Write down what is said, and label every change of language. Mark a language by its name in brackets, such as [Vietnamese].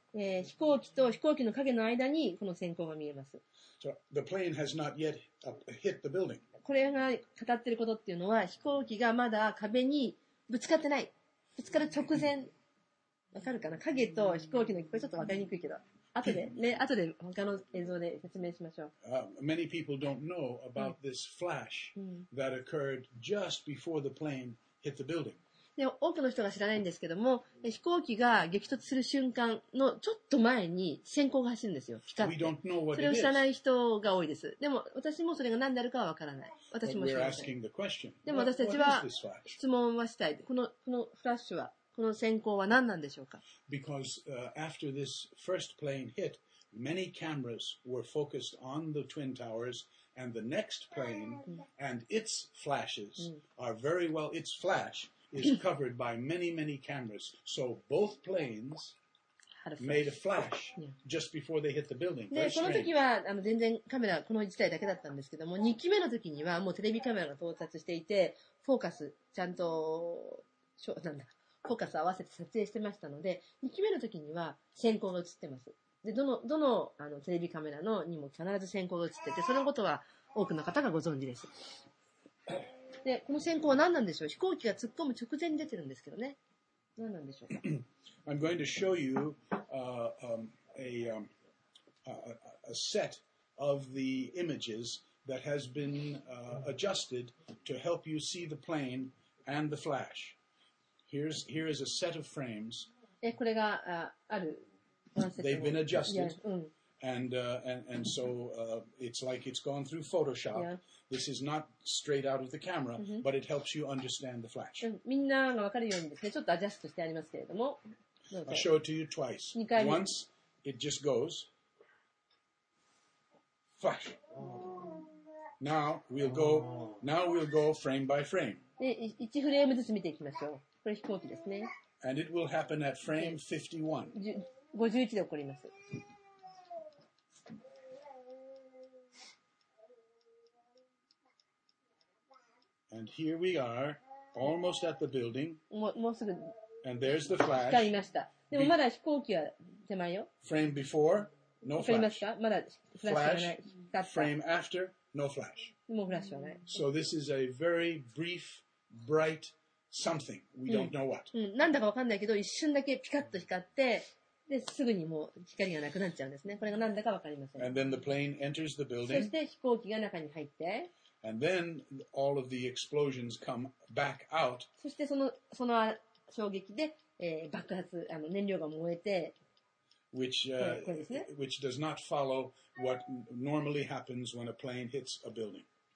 [Japanese] 飛行機と飛行機の影の間にこの閃光が見えます。 [English] So, the plane has not yet hit the building. [Japanese] これが語っていることっていうのは、飛行機がまだ壁にぶつかってない。ぶつかる直前。わかるかな？影と飛行機の、これちょっとわかりにくいけど。後で、ね、後で他の映像で説明しましょう。 [English] Many people don't know about this flash that occurred just before the plane hit the building. [Japanese] で、多くの人が知らないんですけども、飛行機が激突する瞬間のちょっと前に閃光が走るんですよ。光って。それを知らない人が多いです。でも、私もそれが何であるかはわからない。私も知らない。でも、私たちは質問はしたい。このフラッシュは、この閃光は何なんでしょうか？ [English] Because, after this first plane hit, many cameras were focused on the Twin Towers. And the next plane and its flashes are very well. Its flash is covered by many, many cameras. So both planes made a flash just before they hit the building. [Japanese] で、この時は全然カメラこの1台だけだったんですけども、2機目の時にはもうテレビカメラが到達していて、フォーカスちゃんとなんだフォーカス合わせて撮影してましたので、2機目の時には閃光が映ってます。でどの、 テレビカメラのにも必ず閃光が映ってて、そのことは多くの方がご存知です。で、この閃光は何なんでしょう？飛行機が突っ込む直前に出てるんですけどね。何なんでしょう？ [English] I'm going to show you a set of the images that has been adjusted to help you see the plane and the flash. Here is a set of frames. [Japanese] これが ある。 [English] They've been adjusted, and so it's like it's gone through Photoshop. This is not straight out of the camera, but it helps you understand the flash. [Japanese] みんなが分かるようにですね、ちょっとアジャストしてありますけれども。 [English] I'll show it to you twice. Once, it just goes. Flash. Now we'll go frame by frame. [Japanese] で、1フレームずつ見ていきましょう。これ飛行機ですね。 [English] And it will happen at frame 51. [Japanese] 51で起こります。 [English] And here we are, almost at the building. [Japanese] もうすぐ。 [English] And there's the flash. [Japanese] 光りました。でもまだ飛行機は手前よ。 [English] Frame before, no flash. [Japanese] 光りますか？まだフラッシュはない。 [English] Flash, frame after, no flash. [Japanese] もうフラッシュはない。 [English] So this is a very brief, bright something. We don't know what. [Japanese] なんだかわかんないけど、一瞬だけピカッと光って、で、すぐにもう光がなくなっちゃうんですね。これがなんだかわかりません。 [English] And then the plane enters the building. [Japanese] そして飛行機が中に入って、 [English] And then all of the explosions come back out. [Japanese] そしてその衝撃で、爆発燃料が燃えて、 [English] which、ね、which does not follow what normally happens when a plane hits a building.